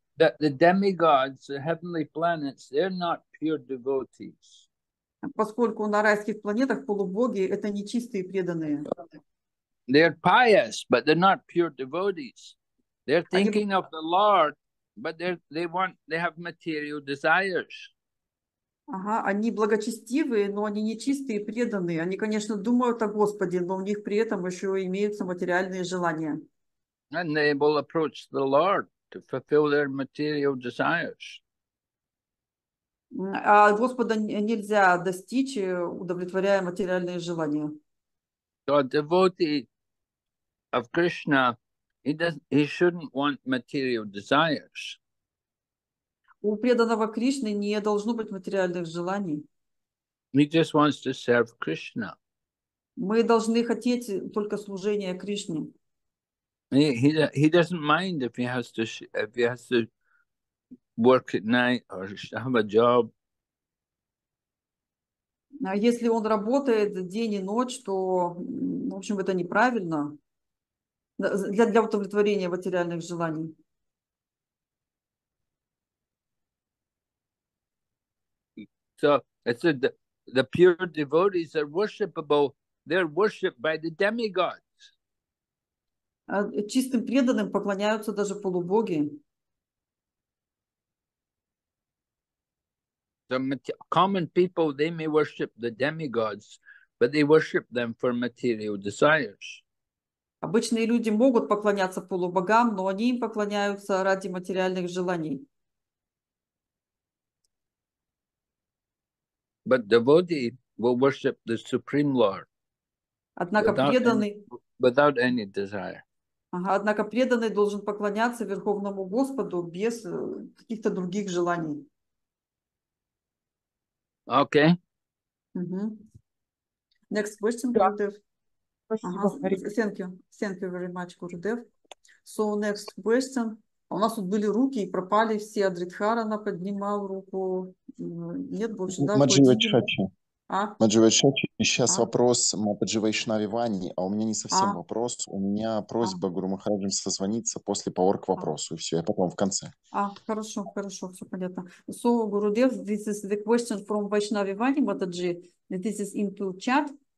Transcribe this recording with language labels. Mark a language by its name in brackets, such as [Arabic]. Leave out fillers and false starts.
[English] That the demigods, the heavenly planets, they're not pure devotees. [Russian] Поскольку на райских планетах полубоги это нечистые преданные. [English] They're pious, but they're not pure devotees. They're thinking of the Lord, but they have material desires. [Russian] Ага, они благочестивые, но они нечистые и преданные. Они, конечно, думают о Господе, но у них при этом еще имеются материальные желания. [English] And they will approach the Lord to fulfill their material desires. [Russian] А Господа нельзя достичь, удовлетворяя материальные желания. [English] So a devotee of Krishna, he shouldn't want material desires. [Russian] У преданного Кришны не должно быть материальных желаний. [English] He just wants to serve Krishna. [Russian] Мы должны хотеть только служения Кришне. [English] He doesn't mind if he has to work at night or have a job. [Russian] А если он работает день и ночь, то, в общем, это неправильно для удовлетворения материальных желаний. [English] So it's the pure devotees are worshipable. They're worshipped by the demigods. [Russian] Чистым преданным поклоняются даже полубоги. [English] So common people, they may worship the demigods, but they worship them for material desires. [Russian] Обычные люди могут поклоняться полубогам, но они им поклоняются ради материальных желаний. [English] But devotee will worship the Supreme Lord. [Russian] Однако преданный [English] without any desire. [Russian] Ага, однако преданный должен поклоняться Верховному Господу без каких-то других желаний. [English] Okay. Mm-hmm. Next question, Gurudev. Thank you. Thank you very much, Gurudev. So next question. [Russian] У нас тут были руки и пропали все. Адридхарана поднимал руку. Нет больше, да? Маджи Вайчачи. Сейчас вопрос Маджи Вайшнави Вани. А у меня не совсем вопрос. У меня просьба Гуру Махараджам созвониться после power к вопросу. И все, я потом в конце. Хорошо, все понятно. [English] So, Gurudev, this is the question from Vaishnavi Vani, Mataji. This is into chat.